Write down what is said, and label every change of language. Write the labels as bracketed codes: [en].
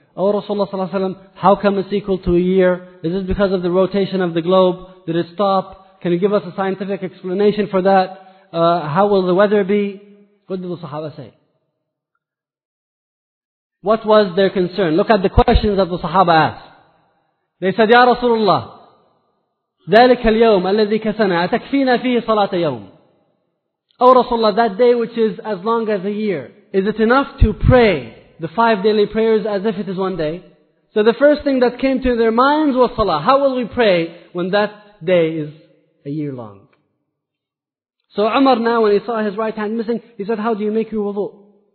[en] Oh Rasulullah sallallahu alayhi wa sallam, how come it's equal to a year? Is it because of the rotation of the globe? Did it stop? Can you give us a scientific explanation for that? How will the weather be? What did the Sahaba say? What was their concern? Look at the questions that the Sahaba asked. They said, Ya Rasulullah, [ar] ذلك اليوم الذي كفنا أتكفينا فيه صلاة يوم. [en] Oh Rasulullah, that day which is as long as a year, is it enough to pray the 5 daily prayers as if it is one day? So the first thing that came to their minds was salah. How will we pray when that day is a year long? So Umar now, when he saw his right hand missing, he said, how do you make your wudu?